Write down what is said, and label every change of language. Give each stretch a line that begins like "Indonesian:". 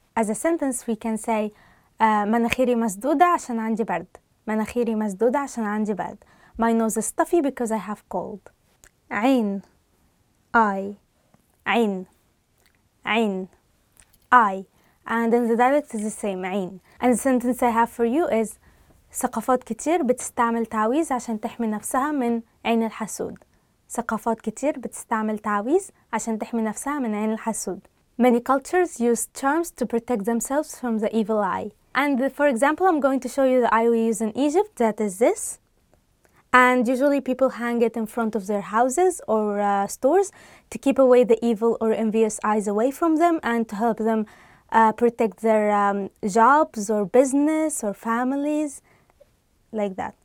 English: As a sentence we can say
Arabic: مناخيري مسدودة عشان عندي برد. مناخيري مسدودة عشان عندي برد.
English: My nose is stuffy because I have cold.
Arabic: عين
English: eye
Arabic: عين عين eye.
English: And in the dialect is the same عين. And the sentence I have for you is
Arabic: ثقافات كتير بتستعمل تعويذ عشان تحمي نفسها من عين الحسود. ثقافات كتير بتستعمل تعويذ عشان تحمي نفسها من عين الحسود.
English: Many cultures use charms to protect themselves from the evil eye. And for example, I'm going to show you the eye we use in Egypt, that is this. And usually people hang it in front of their houses or stores to keep away the evil or envious eyes away from them and to help them protect their jobs or business or families, like that.